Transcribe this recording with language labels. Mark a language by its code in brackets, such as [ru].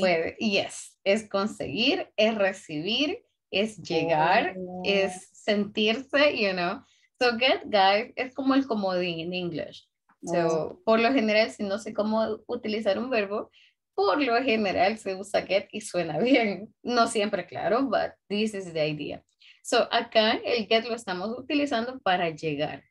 [es] Puede, [en] yes, [es] es conseguir, es recibir, es llegar, oh, es sentirse, [en] you know. [es] So get, guys, es como el comodín en English. So, oh, por lo general, si no sé cómo utilizar un verbo, por lo general se usa get y suena bien. No siempre, claro, [en] but this is the idea. [es] So, acá el get lo estamos utilizando para llegar.